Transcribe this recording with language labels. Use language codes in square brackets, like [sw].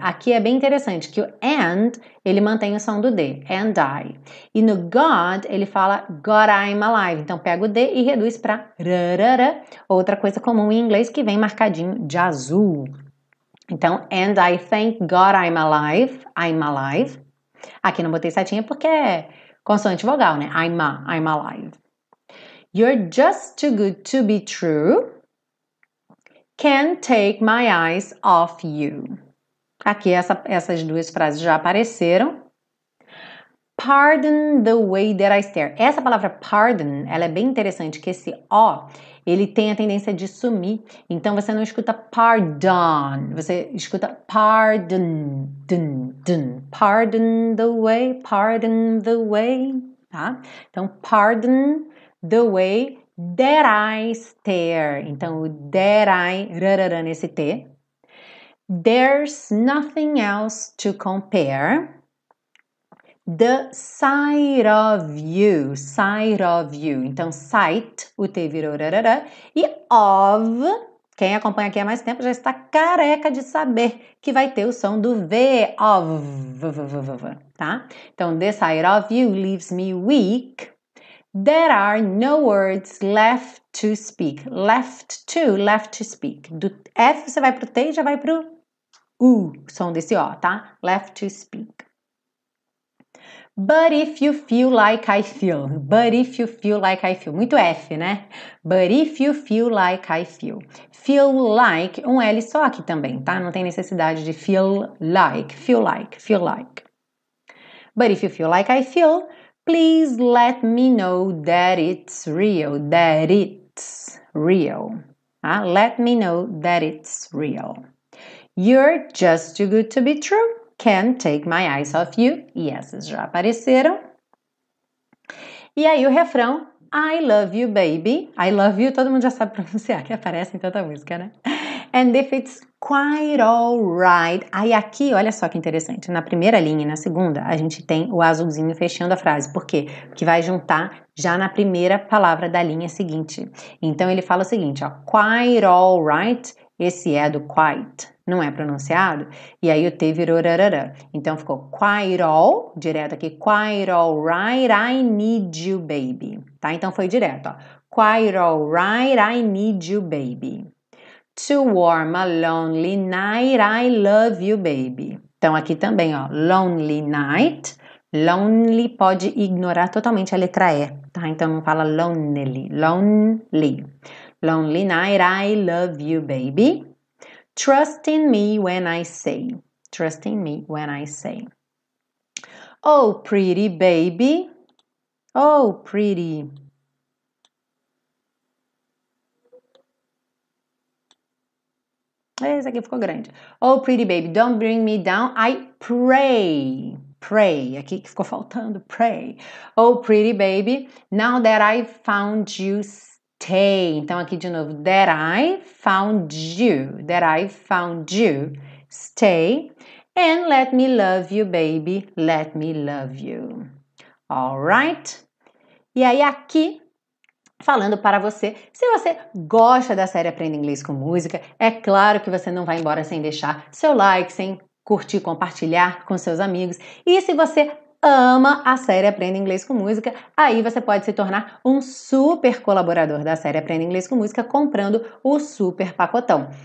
[pt] Aqui é bem interessante que o and, ele mantém o som do D. And I. E no God, ele fala God I'm alive. Então, pega o D e reduz pra rarara. Outra coisa comum em inglês que vem marcadinho de azul. [en] Então, and I thank God I'm alive. I'm alive. [pt] Aqui não botei setinha porque consoante vogal, né? [en] I'm alive. You're just too good to be true. Can't take my eyes off you. [pt] Aqui essas duas frases já apareceram. [en] Pardon the way that I stare. [pt] Essa palavra pardon, ela é bem interessante, que esse O, ele tem a tendência de sumir. Então, você não escuta pardon. Você escuta pardon, dun, dun. [en] Pardon the way, pardon the way. Tá? Então, pardon the way that I stare. Então, o that I, rarara, nesse T. There's nothing else to compare. The sight of you, sight of you. [pt] Então, sight, o T virou rarara. E of, quem acompanha aqui há mais tempo já está careca de saber que vai ter o som do V, of, v, v, v, v, v, tá? [en] Então, the sight of you leaves me weak. There are no words left to speak. Left to speak. [pt] Do F você vai pro T e já vai pro U, som desse O, tá? Left to speak. [en] But if you feel like I feel, but if you feel like I feel, muito F, né? But if you feel like I feel, feel like, um L só aqui também, tá? [pt] Não tem necessidade de feel like, feel like, feel like. [en] But if you feel like I feel, please let me know that it's real, that it's real. Huh? Let me know that it's real. You're just too good to be true. Can't take my eyes off you. [pt] E essas já apareceram. E aí o refrão. [en] I love you, baby. I love you. [pt] Todo mundo já sabe pronunciar que aparece em tanta música, né? [en] And if it's quite alright. [pt] Aí aqui, olha só que interessante. Na primeira linha e na segunda, a gente tem o azulzinho fechando a frase. Por quê? Porque vai juntar já na primeira palavra da linha seguinte. Então ele fala o seguinte, ó. Quite alright. Esse é do quite. Não é pronunciado? E aí o T virou rarara. Então ficou quite all, direto aqui, [en] quite all right, I need you, baby. [pt] Tá? Então foi direto, ó. [en] Quite all right, I need you, baby. To warm a lonely night, I love you, baby. [pt] Então aqui também, ó, lonely night. Lonely pode ignorar totalmente a letra E, tá? Então não fala lonely, lonely. [en] Lonely night, I love you, baby. Trust in me when I say. Trust in me when I say. Oh, pretty baby. Oh, pretty. [pt] Esse aqui ficou grande. [en] Oh, pretty baby, don't bring me down. I pray. Pray. [pt] Aqui que ficou faltando. [en] Pray. Oh, pretty baby, now that I've found you, [pt] Então, aqui de novo, that I found you, that I found you. [en] Stay and let me love you, baby, let me love you. All right? [pt] E aí, aqui, falando para você, se você gosta da série Aprenda Inglês com Música, é claro que você não vai embora sem deixar seu like, sem curtir, compartilhar com seus amigos. E se você ama a série Aprenda Inglês com Música, aí você pode se tornar um super colaborador da série Aprenda Inglês com Música comprando o super pacotão.